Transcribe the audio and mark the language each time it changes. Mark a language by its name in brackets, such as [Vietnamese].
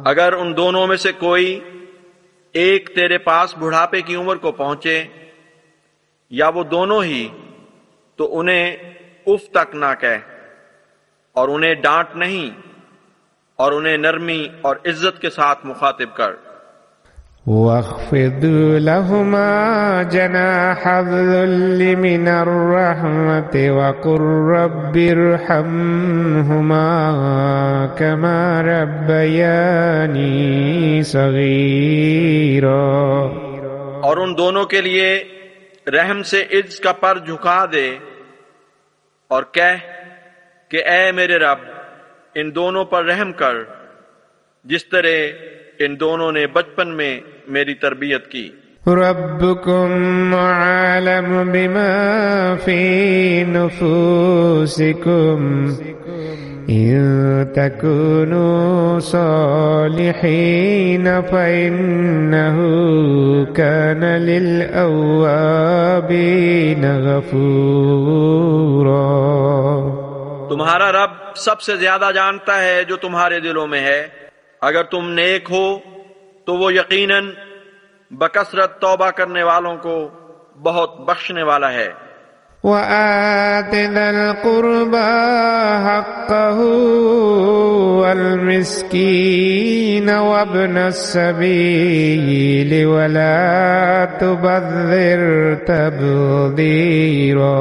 [Urdu] اگر ان دونوں میں سے کوئی ایک تیرے پاس بڑھاپے کی عمر کو پہنچے یا وہ دونوں ہی تو انہیں اف تک نہ کہہ اور انہیں ڈانٹ نہیں اور انہیں نرمی اور عزت کے ساتھ مخاطب کر. [Arabic] واخفض لهما جناح الذل من الرحمة وقل رب ارحمهما كما ربياني صغيرا. [Urdu] اور ان دونوں کے لیے رحم سے عجز کا پر جھکا دے اور کہ اے میرے رب ان دونوں پر رحم کر جس طرح ان دونوں نے بچپن میں میری تربیت کی. [Arabic] ربکم عالم بما فی نفوسکم ان تکونوا صالحین فانہ کان للاوابین غفورا. [Urdu] تمہارا رب سب سے زیادہ جانتا ہے جو تمہارے دلوں میں ہے. اگر تم نیک ہو تو وہ یقیناً بکثرت توبہ کرنے والوں کو بہت بخشنے والا ہے. [Arabic] وآت ذا القربى حقه والمسكين وابن السبيل ولا تبذر تبذيرا.